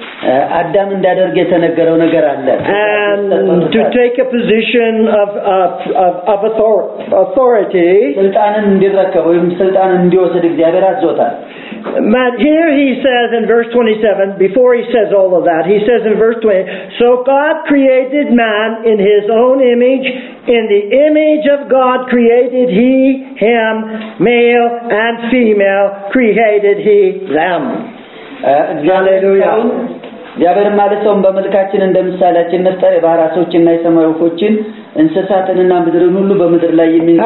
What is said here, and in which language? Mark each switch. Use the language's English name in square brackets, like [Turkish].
[Amharic] Adam እንዳደረገ የተነገረው ነገር አለ. [English] And to take a position of authority. [Amharic] ስልጣንን እንዲረከብ ወይም ስልጣንን እንዲወስድ እግዚአብሔር አዘዘታል. [English] But here he says in verse 27, before he says all of that, he says in verse 20, so God created man in his own image, in the image of God created he him, male and female created he them. Hallelujah. [Amharic] ያበረ ማለት ነው በመልካችን እንደምሳሌያችን ነጠረ ባራሶችና የሰማዩዎችን እንስሳትንና ምድርን ሁሉ በመድር ላይ የሚይዝ